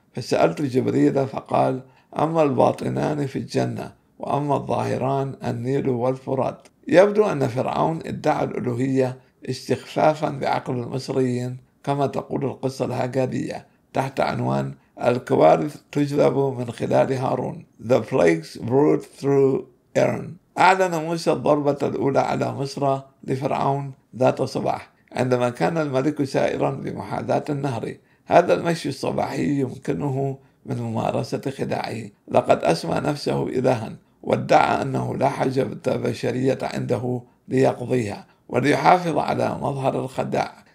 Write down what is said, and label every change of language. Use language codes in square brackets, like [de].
[ar] فسألت جبريل فقال: أما الباطنان في الجنة وأما الظاهران النيل والفرات. يبدو أن فرعون ادعى الألوهية استخفافا بعقل المصريين كما تقول القصة الهجادية تحت عنوان: الكوارث تجلب من خلال هارون. [en] The plagues brought through Aaron. [ar] أعلن موسى الضربة الأولى على مصر لفرعون ذات صباح عندما كان الملك سائرا بمحاذاة النهر. هذا المشي الصباحي يمكنه من ممارسة خداعه، لقد أسمى نفسه إلها وادعى أنه لا حجب بشرية عنده ليقضيها وليحافظ على مظهر الخداع.